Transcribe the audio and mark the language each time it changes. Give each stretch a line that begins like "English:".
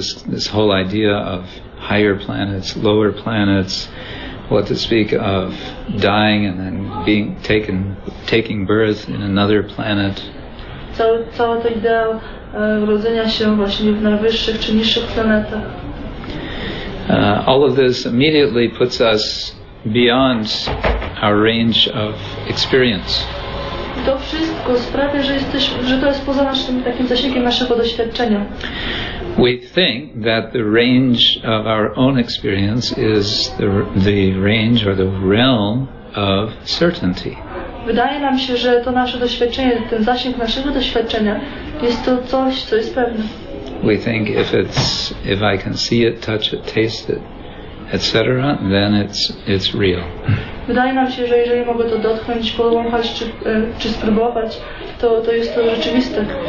English: This whole idea of higher planets, lower planets, what to speak of dying and then being taking birth in another planet.
Polish: Cała ta idea urodzenia się właśnie w najwyższych czy niższych planetach.
English: All of this immediately puts us beyond our range of experience.
Polish: To wszystko sprawia, że to jest poza naszym takim zasięgiem naszego doświadczenia.
English: We think that the range of our own experience is the range or the realm of certainty.
Polish: Wydaje nam się, że to nasze doświadczenie, ten zasięg naszego doświadczenia jest to coś, co jest pewne.
English: We think if I can see it, touch it, taste it, etc., then it's real.
Polish: Wydaje nam się, że jeżeli mogę to dotknąć, podłączać czy spróbować, to jest to rzeczywiste.